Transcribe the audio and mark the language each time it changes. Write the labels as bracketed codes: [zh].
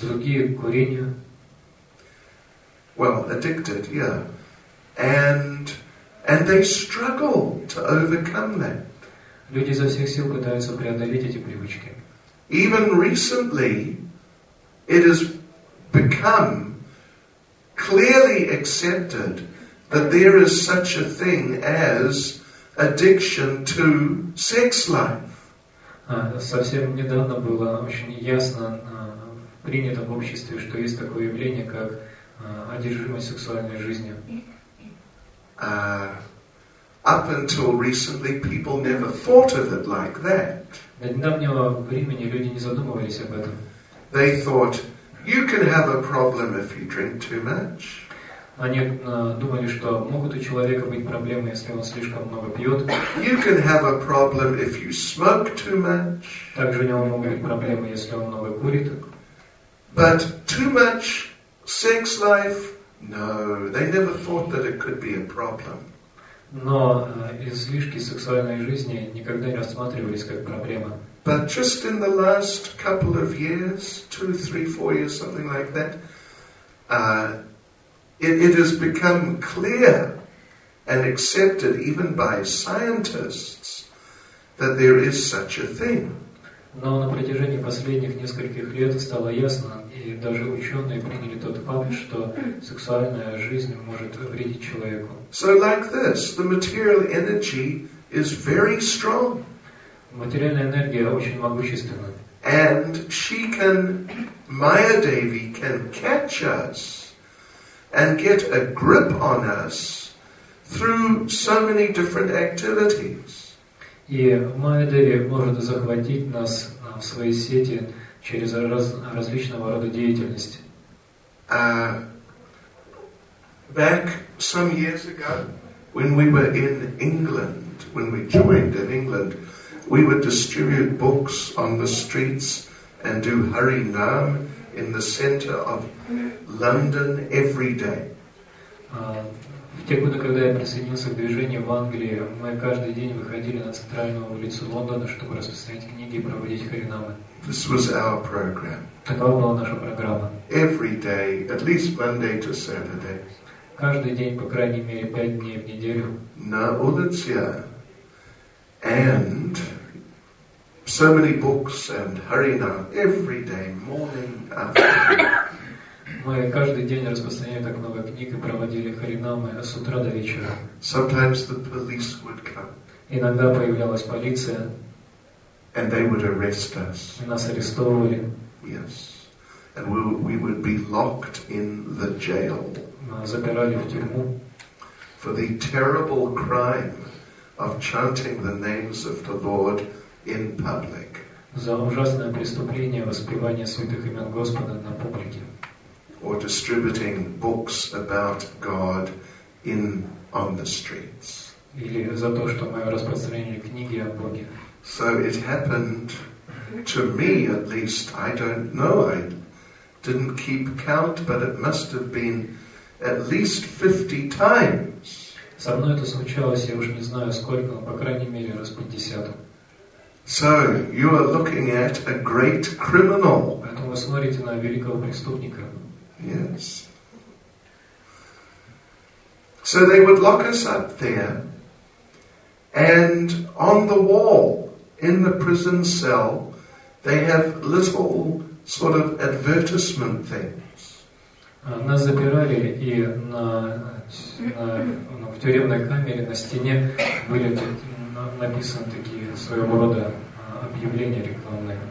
[ru] Другие к курению. [en] Well, addicted, yeah. And they struggle to overcome that. [ru] Люди изо всех сил пытаются преодолеть эти привычки. [en] Even recently, it has become clearly accepted that there is such a thing as addiction to sex life. [ru] Совсем недавно было очень ясно принято в обществе, что есть такое явление, как одержимость сексуальной жизнью. [en] Up until recently, people never thought of it like that. [ru] До недавнего времени люди не задумывались об этом. [en] They thought you can have a problem if you drink too much. [ru] Они думали, что могут у человека быть проблемы, если он слишком много пьет. [en] You can have a problem if you smoke too much. [ru] Также у него могут быть проблемы, если он много курит. [en] But too much sex life? No, they never thought that it could be a problem. [ru] Но излишки сексуальной жизни никогда не рассматривались как проблема. [en] But just in the last couple of years, 2, 3, 4 years, something like that, it has become clear and accepted even by scientists that there is such a thing. [ru] Но на протяжении последних нескольких лет стало ясно, и даже ученые приняли тот факт, что сексуальная жизнь может вредить человеку. [en] So like this, the material energy is very strong. [ru] Материальная энергия очень могущественна. [en] And she can, Maya Devi can catch us and get a grip on us through so many different activities. [ru] И Майя Деви может захватить нас в свои сети через различного рода деятельности. [en] Back some years ago, when we were in England, when we joined in England, we would distribute books on the streets and do Hari Nam in the center of London every day. [ru] В те годы, когда я присоединился к движению в Англии, мы каждый день выходили на центральную улицу Лондона, чтобы распространять книги и проводить харинамы. [en] This was our program. [ru] Такова была наша программа. [en] Every day, at least Monday to Saturday. [ru] Каждый день, по крайней мере, 5 дней в неделю. На улице. [en] And so many books and харинам. Every day, morning, afternoon. [ru] Мы каждый день распространяли так много книг и проводили харинамы с утра до вечера. [en] Sometimes the police would come. [ru] Иногда появлялась полиция. [en] And they would arrest us. [ru] И нас арестовывали. [en] Yes. And we would be locked in the jail. [ru] Нас запирали в тюрьму. [en] For the terrible crime of chanting the names of the Lord in public. [ru] За ужасное преступление воспевания святых имен Господа на публике. [en] Or distributing books about God in on the streets. [ru] Или за то, что мы распространили книги о Боге. [en] So it happened to me, at least. I don't know. I didn't keep count, but it must have been at least 50 times. [ru] Со мной это случалось, я уже не знаю сколько, но по крайней мере раз 50. [en] So you are looking at a great criminal. [ru] Поэтому вы смотрите на великого преступника. [en] Yes. So they would lock us up there, and on the wall in the prison cell, they have little sort of advertisement things. [ru] Нас запирали, и в тюремной камере на стене были написаны такие своего рода объявления рекламные.